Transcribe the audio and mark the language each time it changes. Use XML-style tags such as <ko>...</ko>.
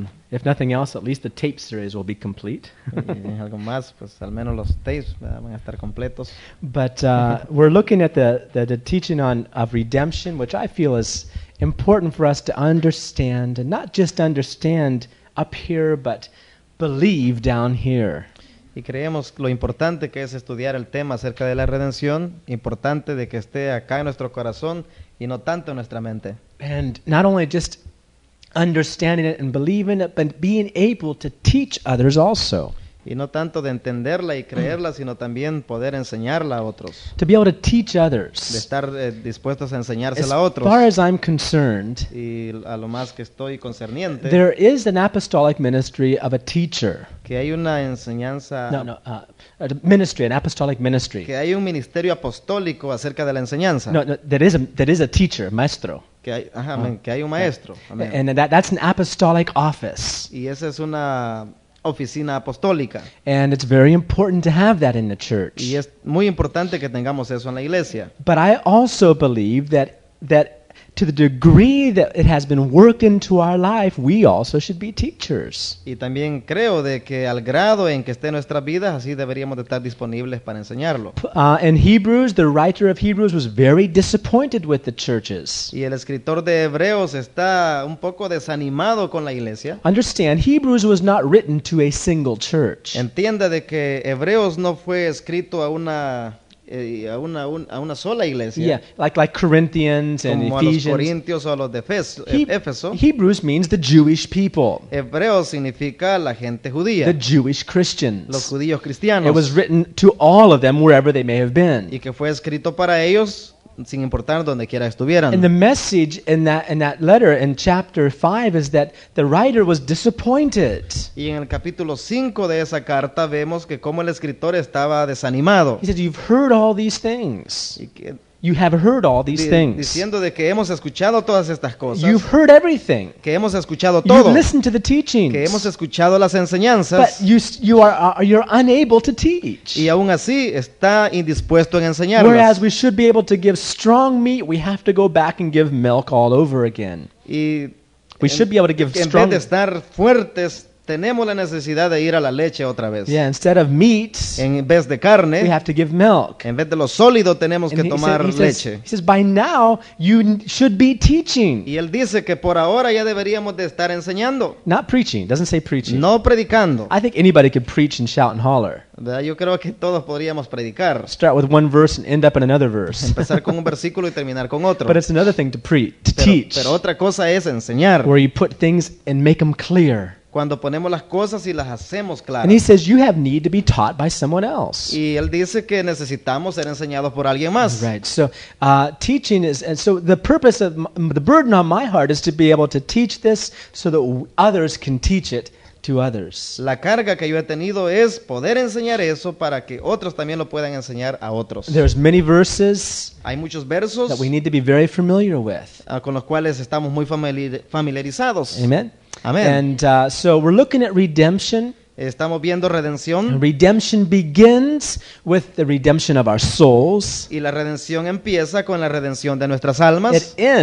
<en>If nothing else, at least the tape series will be complete.</en> <es>Algo más, pues al menos los tapes van a estar completos.</es> <en>But we're looking at the teaching on of redemption, which I feel is important for us to understand, and not just understand up here, but believe down here.</en> <es>Y creemos lo importante que es estudiar el tema acerca de la redención, importante de que esté acá en nuestro corazón y no tanto en nuestra mente.</es> <en>And not only just understanding it and believing it, but being able to teach others also.</en> <es>Y no tanto de entenderla y creerla, sino también poder enseñarla a otros.</es> <en>To be able to teach others.</en> <es>De estar dispuestos a enseñársela</es> <en>as</en> <es>a otros.</es> <en>As far as I'm concerned,</en> <es>y a lo más que estoy concerniente,</es> <en>there is an apostolic ministry of a teacher.</en> <es>Que hay una enseñanza.</es> <en>An apostolic ministry.</en> <es>Que hay un ministerio apostólico acerca de la enseñanza.</es> <en>No, there is a teacher, maestro.</en> <es>Que hay, que hay un maestro.</es> <en>Amen. And that's an apostolic office.</en> <es>Y esa es una oficina apostólica.</es> <en>And it's very important to have that in the church.</en> <es>Y es muy importante que tengamos eso en la iglesia.</es> <en>But I also believe that to the degree that it has been worked into our life, we also should be teachers.</en> <es>Y también creo de que al grado en que esté nuestra vida, así deberíamos de estar disponibles para enseñarlo.</es> <en>In Hebrews, the writer of Hebrews was very disappointed with the churches.</en> <es>Y el escritor de Hebreos está un poco desanimado con la iglesia.</es> <en>Understand, Hebrews was not written to a single church.</en> <es>Entienda de que Hebreos no fue escrito a una sola iglesia.</es> <en>Yeah, like Corinthians and</en> <es>como</es> <en>Ephesians.</en> <es>A los corintios o a los de Éfeso.</es> <en>Hebrews means the Jewish people.</en> <es>Hebreo significa la gente judía.</es> <en>The Jewish Christians.</en> <es>Los judíos cristianos.</es> <en>It was written to all of them wherever they may have been.</en> <es>Y que fue escrito para ellos sin importar donde quiera estuvieran.</es> <en>And the message in that letter in chapter 5 is that the writer was disappointed.</en> <es>Y en el capítulo 5 de esa carta vemos que como el escritor estaba desanimado.</es> <en>He said, you've heard all these things. You have heard all these things.</en> <es>Diciendo de que hemos escuchado todas estas cosas.</es> <en>You've heard everything.</en> <es>Que hemos escuchado todo.</es> <en>You've listened to the teachings.</en> <es>Que hemos escuchado las enseñanzas.</es> <en>But you're unable to teach.</en> <es>Y aún así está indispuesto en enseñarlas.</es> <en>Whereas we should be able to give strong meat, we have to go back and give milk all over again.</en> <es>Y</es> <en>we should be able to give</en> <es>en</es> <en>strong.</en> <es>En vez de estar fuertes, tenemos la necesidad de ir a la leche otra vez.</es> <en>Yeah, instead of meat,</en> <es>en vez de carne,</es> <en>we have to give milk.</en> <es>En vez de lo sólido, tenemos que tomar leche.</es> <en>He says, by now, you should be teaching.</en> <es>Y él dice que por ahora ya deberíamos de estar enseñando.</es> <en>Not preaching. Doesn't say preaching.</en> <es>No predicando.</es> <en>I think anybody could preach and shout and holler.</en> <es>Yo creo que todos podríamos predicar.</es> <en>Start with one verse and end up in another verse.</en> <es>Empezar con un versículo y terminar con otro.</es> <en>But it's another thing to teach.</en> <es>Pero otra cosa es enseñar.</es> <en>Where you put things and make them clear.</en> <es>Cuando ponemos las cosas y las hacemos claras.</es> <en>And he says you have need to be taught by someone else.</en> <es>Y él dice que necesitamos ser enseñados por alguien más.</es> <en>Right. So teaching is, and so the purpose of the burden on my heart is to be able to teach this so that others can teach it to others.</en> <es>La carga que yo he tenido es poder enseñar eso para que otros también lo puedan enseñar a otros.</es> <en>There's many verses.</en> <es>Hay muchos versos</es> <en>that we need to be very familiar with.</en> <es>Con los cuales estamos muy familiarizados.</es> <en>Amen.</en> <es>Amen.</es> <en>And so we're looking at redemption.</en> <es>Estamos viendo redención.</es> <en>Redemption begins with the redemption of our souls.</en> <es>Y la redención empieza con la redención de nuestras almas.</es>